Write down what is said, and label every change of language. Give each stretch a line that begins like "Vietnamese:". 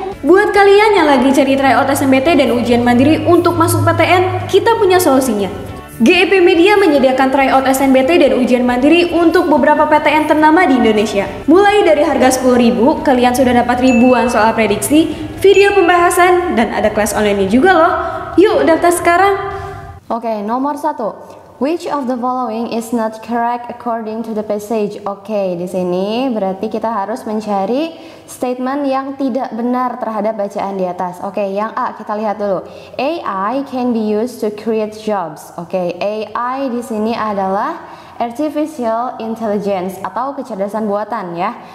Indonesian: Buat kalian yang lagi cari tryout SNBT dan ujian mandiri untuk masuk PTN, kita punya solusinya. GEP Media menyediakan tryout SNBT dan ujian mandiri untuk beberapa PTN ternama di Indonesia. Mulai dari harga Rp10.000, kalian sudah dapat ribuan soal prediksi, video pembahasan, dan ada kelas online-nya juga loh. Yuk, daftar sekarang! Oke, nomor 1.
English: Which of the following is not correct according to the passage?
Indonesian: Oke, di sini berarti kita harus mencari statement yang tidak benar terhadap bacaan di atas. Oke, yang A kita lihat dulu.
English: AI can be used to create jobs.
Indonesian: Oke, AI di sini adalah artificial intelligence atau kecerdasan buatan ya.